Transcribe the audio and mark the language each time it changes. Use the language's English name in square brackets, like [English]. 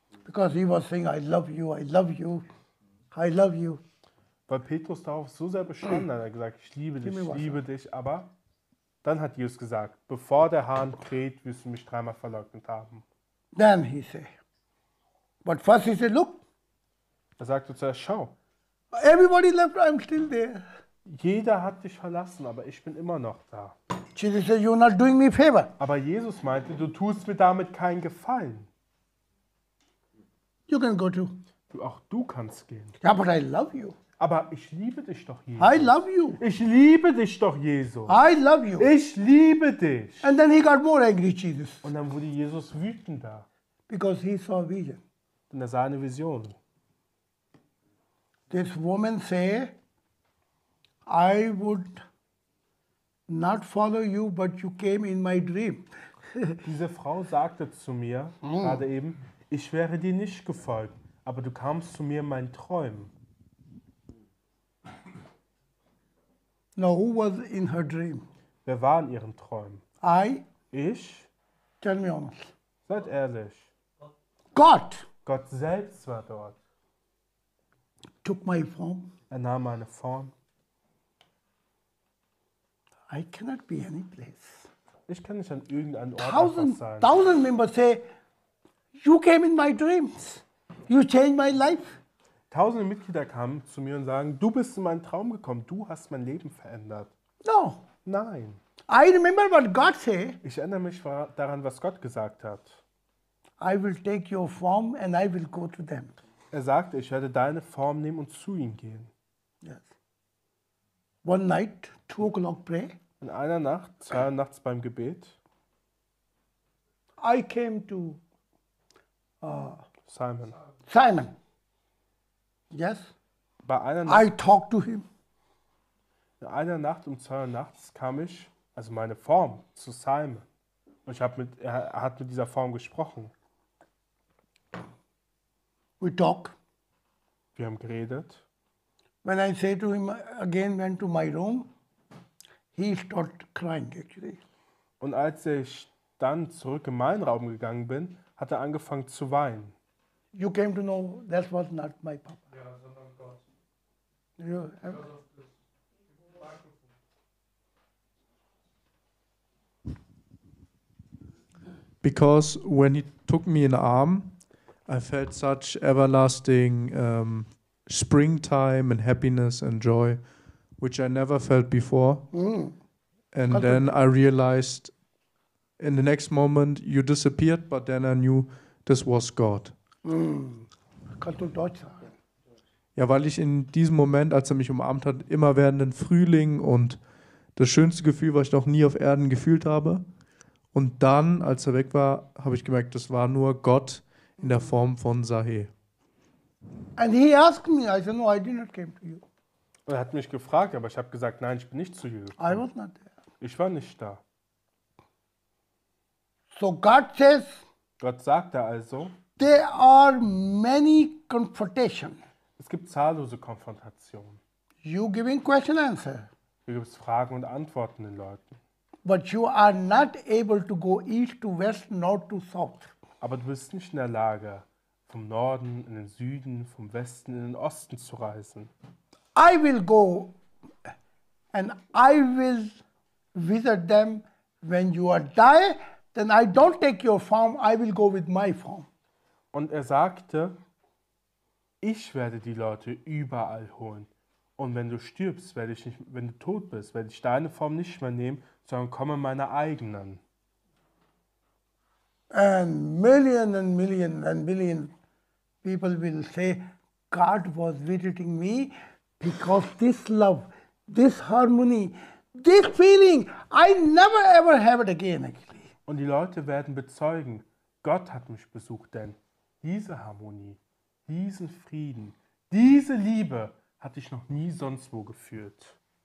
[English] Because he was saying, I love you, I love you, I love you. [German] Weil Petrus darauf so sehr bestanden hat, er gesagt, ich liebe dich, ich liebe dich. Aber dann hat Jesus gesagt, bevor der Hahn kräht, wirst du mich dreimal verleugnet haben. [English] Then he said, but first he said, look. [German] Er sagte zuerst, schau. [English] Everybody left, I'm still there. [German] Jeder hat dich verlassen, aber ich bin immer noch da. [English] Jesus said, you're not doing me a favor. [German] Aber Jesus meinte, du tust mir damit keinen Gefallen. [English] You can go too. [German] Auch du kannst gehen. [English] Yeah, but I love you. [German] Aber ich liebe dich doch, Jesus. [English] I love you. [German] Ich liebe dich doch, Jesus. [English] I love you. [German] Ich liebe dich. [English] And then he got more angry, Jesus. [German] Und dann wurde Jesus wütender. [English] Because he saw a vision. [German] Denn er sah eine Vision. [English] This woman say, I would not follow you, but you came in my dream. [German] Diese Frau sagte zu mir gerade eben, ich wäre dir nicht gefolgt, aber du kamst zu mir in meinen Träumen. [English] Now who was in her dream? [German] Wer war in ihren Träumen? [English] I. [German] Ich. [English] Tell me honest. [German] Seid ehrlich. Gott. Gott selbst war dort. [English] Took my form. [German] Er nahm meine Form. [English] I cannot be any place. [German] Ich kann nicht an irgendeinem Ort sein. [English] Thousand members say, You came in my dreams. You changed my life. [German] Tausende Mitglieder kamen zu mir und sagen, du bist in meinen Traum gekommen, du hast mein Leben verändert. [English] No. [German] Nein. [English] I remember what God said. [German] Ich erinnere mich daran, was Gott gesagt hat. [English] I will take your form and I will go to them. [German] Er sagte, ich werde deine Form nehmen und zu ihnen gehen. [English] Yes. One night, 2 o'clock prayer. [German] In einer Nacht, 2 Uhr nachts beim Gebet. [English] I came to Simon. Simon. Yes. [German] Bei einer Nacht, [English] I talked to him. [German] In einer Nacht um 2 Uhr nachts kam ich, also meine Form, zu Simon. Und ich habe mit er hat mit dieser Form gesprochen. [English] We talk. [German] Wir haben geredet. [English] When I say to him again, went to my room, he started crying actually. [German] Und als ich dann zurück in meinen Raum gegangen bin, hat er angefangen zu weinen. [English] You came to know that was not my papa. [German] Ja, sondern Gott. [English] You have... Because when he took me in the arm, I felt such everlasting springtime and happiness and joy, which I never felt before. Mm. And God then I realized in the next moment you disappeared, but then I knew this was God. Mm. [German] Ja, weil ich in diesem Moment, als er mich umarmt hat, immer werdenden Frühling und das schönste Gefühl, was ich noch nie auf Erden gefühlt habe. Und dann, als er weg war, habe ich gemerkt, das war nur Gott in der Form von Sahe. [English] And he asked me, I said, no, I did not came to you. [German] Er hat mich gefragt, aber ich habe gesagt, nein, ich bin nicht zu dir. [English] I was not there. [German] Ich war nicht da. [English] So God says, [German] Gott sagte also, [English] there are many confrontations. [German] Es gibt zahllose Konfrontationen. [English] You giving question answer. [German] Du gibst Fragen und Antworten den Leuten. [English] But you are not able to go east to west, north to south. [German] Aber du bist nicht in der Lage, vom Norden in den Süden, vom Westen in den Osten zu reisen. [English] I will go and I will visit them when you are die, then I don't take your form, I will go with my form. [German] Und er sagte, ich werde die Leute überall holen. Und wenn du stirbst, werde ich nicht, wenn du tot bist, werde ich deine Form nicht mehr nehmen, sondern komme meine eigenen. [English] And million and million and million people will say, God was visiting me because this love, this harmony, this feeling, I never ever have it again actually. [German] Und die Leute werden bezeugen, Gott hat mich besucht, denn diese Harmonie, diesen Frieden, diese Liebe hatte ich noch nie sonst wo gefühlt.